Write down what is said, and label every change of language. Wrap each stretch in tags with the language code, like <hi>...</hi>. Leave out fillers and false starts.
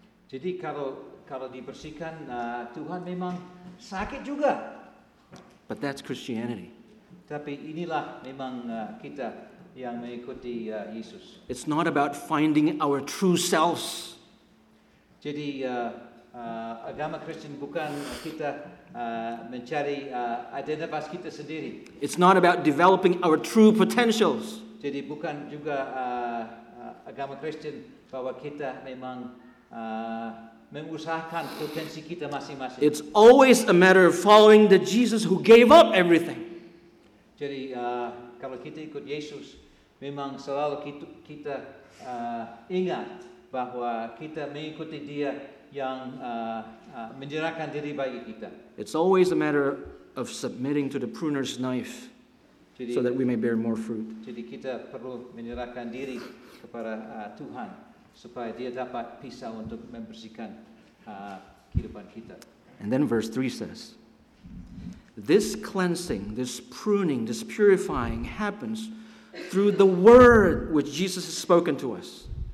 <id>Jadi kalau dibersihkan, Tuhan memang sakit juga.</id> <en>But that's Christianity.</en> <id>Tapi inilah memang kita yang mengikuti Yesus.</id> <en>It's not about finding our true selves.</en> <id>Jadi agama Kristen bukan kita mencari identitas kita sendiri.</id> <en>It's not about developing our true potentials.</en> <id>Jadi bukan juga agama Kristen bahwa kita memang mengusahakan potensi kita masing-masing.</id> <en>It's always a matter of following the Jesus who gave up everything.</en> <id>Jadi kalau kita ikut Yesus, memang selalu kita ingat bahwa kita mengikuti Dia yang menyerahkan diri bagi kita.</id> <en>It's always a matter of submitting to the pruner's knife, so that we may bear more fruit.</en> <id>Jadi kita perlu menyerahkan diri kepada Tuhan supaya Dia dapat pisau untuk membersihkan kehidupan kita.</id> <en>And then verse 3 says, this cleansing, this pruning, this purifying happens through the word which Jesus has spoken to us.</en>